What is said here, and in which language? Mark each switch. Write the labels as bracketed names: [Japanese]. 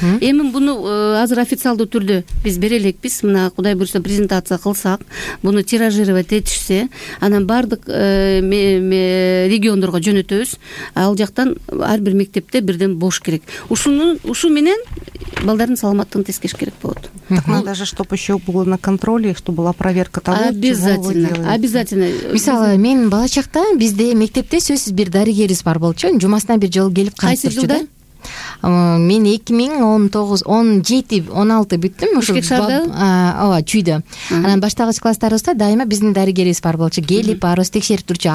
[Kyrgyz] Эми буну азыр официалдуу түрдө биз бере элекпиз. Мына Кудай буюрса презентация кылсак, буну тиражировать этишсе, анан баардык региондорго жөнөтөбүз. Ал жактан ар бир мектепте бирден болуш керек. Ушу менен балдардын саламаттыгын тескериш керек болот. [Russian] Так надо же, чтобы еще было на контроле, чтобы была проверка того, обязательно, чего вы делаете. Обязательно. [Kyrgyz] Мисалы, мен бала чакта бизде мектепте сөзсүз бир дарыгерибиз бар болчу. Жумасына бир жолу келип кайсы жылда? Мен 2017-16 бүттүм. Бишкек шаарда? Ооба, Чүйдө. Анан баштагыч класстарыбызда дайыма биздин дарыгерибиз бар болчу. Келип баарыбызды текшерип турчу.